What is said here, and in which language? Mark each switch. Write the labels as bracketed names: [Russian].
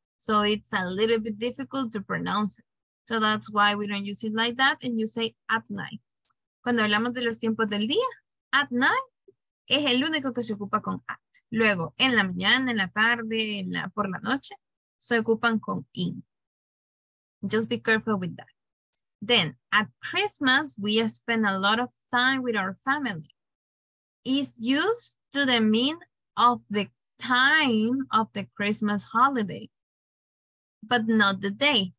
[English] So it's a little bit difficult to pronounce it. So that's why we don't use it like that. And you say at night. [Spanish] Cuando hablamos de los tiempos del día, at night es el único que se ocupa con at. Luego, en la mañana, en la tarde, por la noche. Se ocupan con [English] in. Just be careful with that. Then, at Christmas, we spend a lot of time with our family. It's used to the mean of the time of the Christmas holiday, but not the day.